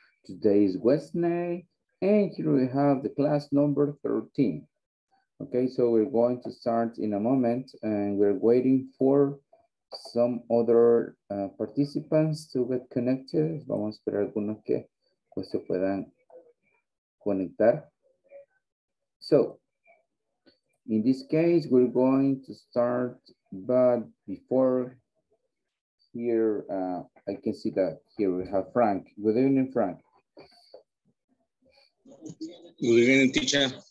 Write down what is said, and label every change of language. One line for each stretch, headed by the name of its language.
English: Today is Wednesday, and here we have the class number 13. Okay, so we're going to start in a moment, and we're waiting for some other participants to get connected.
Spanish: Vamos a esperar algunos que pues se puedan conectar.
English: So, in this case, we're going to start, but before here, I can see that here we have Frank. Good evening, Frank. Good evening, teacher.